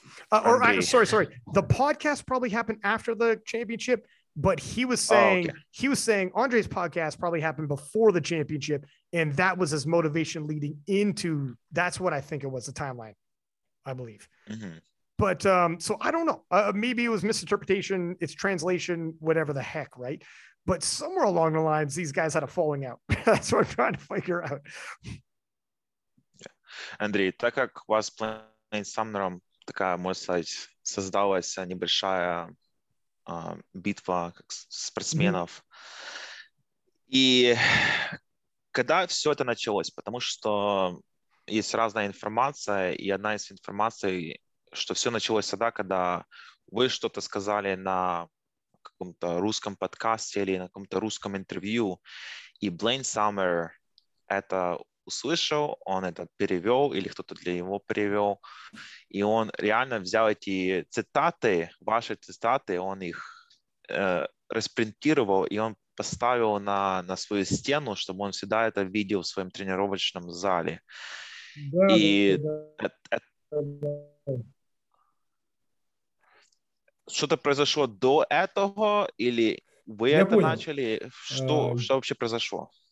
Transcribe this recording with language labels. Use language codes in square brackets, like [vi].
[en] The podcast probably happened after the championship, but he was saying he was saying Andre's podcast probably happened before the championship, and that was his motivation leading into. That's what I think it was, the timeline, I believe. Mm-hmm. But so I don't know. Maybe it was misinterpretation. It's translation, whatever the heck, right? But somewhere along the lines, these guys had a falling out. That's what I'm trying to figure out. [uk] Андрій, так як у вас Блейн Сумнером така, можна сказати, создалася небольша битва спортсменов. І коли все це почалося? Тому що є різна інформація, і одна з інформацій, що все почалося тоді, коли ви щось сказали на якомусь російському подкасті або на якомусь російському інтерв'ю, і Блейн Сумнер це [ru] услышал, он это перевел или кто-то для него перевел, и он [uk] реально взял эти цитаты, ваши цитаты, он их распринтировал, и он [ru] поставил на свою стену, чтобы он всегда это видел в своем тренировочном зале. Да, и да, да. Что-то произошло до этого или вы Я это понял. Начали? Что вообще произошло?